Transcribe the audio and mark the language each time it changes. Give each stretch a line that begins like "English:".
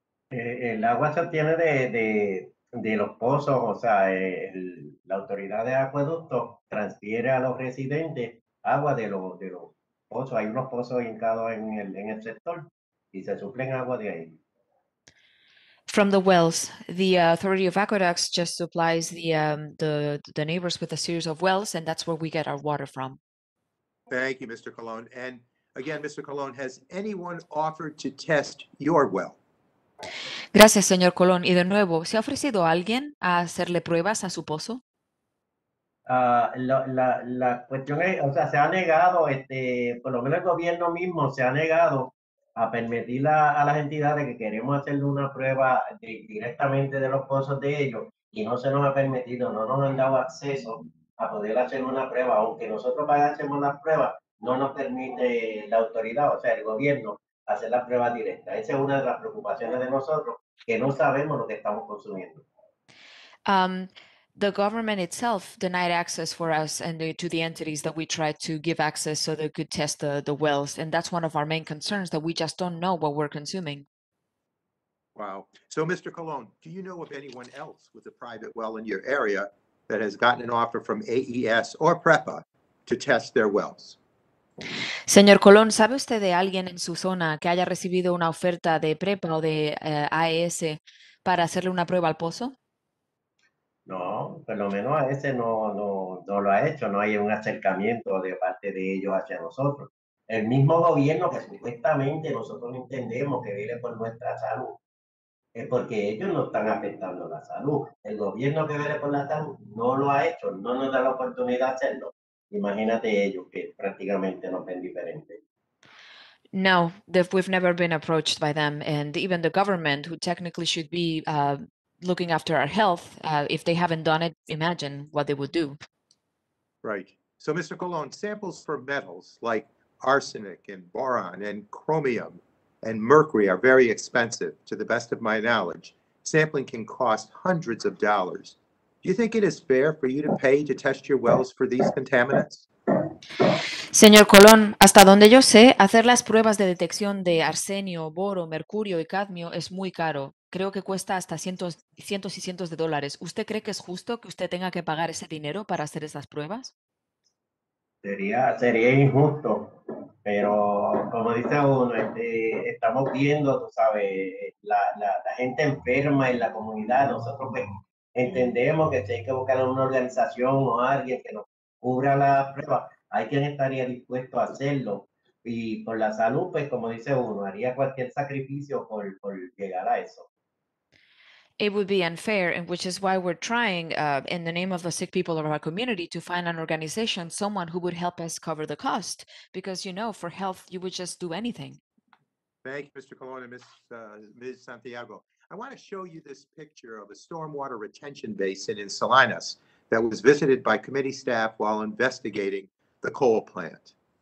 Spanish: El agua se obtiene de los pozos, o sea, la autoridad de acueducto transfiere a los residentes agua de los pozos. Hay unos pozos hincados en el sector y se suplen agua de ahí.
English: From the wells, the authority of aqueducts just supplies the neighbors with a series of wells, and that's where we get our water from. Thank you, Mr. Colon. And again, Mr. Colon, has anyone offered to test your well?
Spanish: Gracias, señor Colon. Y de nuevo, ¿se ha ofrecido alguien a hacerle pruebas a su pozo? La cuestión es, o sea, se ha negado, por lo menos el gobierno mismo se ha negado a permitir a las entidades que queremos hacerle una prueba directamente de los pozos de ellos y no se nos ha permitido, no nos han dado acceso a poder hacer una prueba, aunque nosotros pagásemos la prueba, no nos permite la autoridad, o sea, el gobierno, hacer la prueba directa. Esa es una de las preocupaciones de nosotros, que no sabemos lo que estamos consumiendo.
English: The government itself denied access for us and to the entities that we tried to give access so they could test the wells. And that's one of our main concerns, that we just don't know what we're consuming. Wow. So, Mr. Colon, do you know of anyone else with a private well in your area that has gotten an offer from AES or PREPA to test their wells?
Spanish: Señor Colon, ¿sabe usted de alguien en su zona que haya recibido una oferta de PREPA o de AES para hacerle una prueba al pozo? No, por lo menos AES no lo ha hecho, no hay un acercamiento de parte de ellos hacia nosotros. El mismo gobierno que supuestamente nosotros entendemos que vele por nuestra salud, porque ellos no están afectando la salud. El gobierno que vele por la salud no lo ha hecho, no nos da la oportunidad de hacerlo. Imagínate ellos que prácticamente nos ven diferente.
English: No, we've never been approached by them. And even the government, who technically should be looking after our health, if they haven't done it, imagine what they would do. Right. So, Mr. Colon, samples for metals like arsenic and boron and chromium and mercury are very expensive. To the best of my knowledge, sampling can cost hundreds of dollars. Do you think it is fair for you to pay to test your wells for these contaminants?
Spanish: Señor Colón, hasta donde yo sé, hacer las pruebas de detección de arsenio, boro, mercurio y cadmio es muy caro. Creo que cuesta hasta cientos y cientos de dólares. ¿Usted cree que es justo que usted tenga que pagar ese dinero para hacer esas pruebas? Sería injusto, pero como dice uno, estamos viendo, tú sabes, la gente enferma en la comunidad. Nosotros pues entendemos que si hay que buscar una organización o alguien que nos cubra la prueba, hay quien estaría dispuesto a hacerlo. Y por la salud, pues como dice uno, haría cualquier sacrificio por llegar a eso.
English: It would be unfair, and which is why we're trying, in the name of the sick people of our community, to find an organization, someone who would help us cover the cost. Because, you know, for health, you would just do anything. Thank you, Mr. Colon and Ms. Santiago. I want to show you this picture of a stormwater retention basin in Salinas that was visited by committee staff while investigating the coal plant.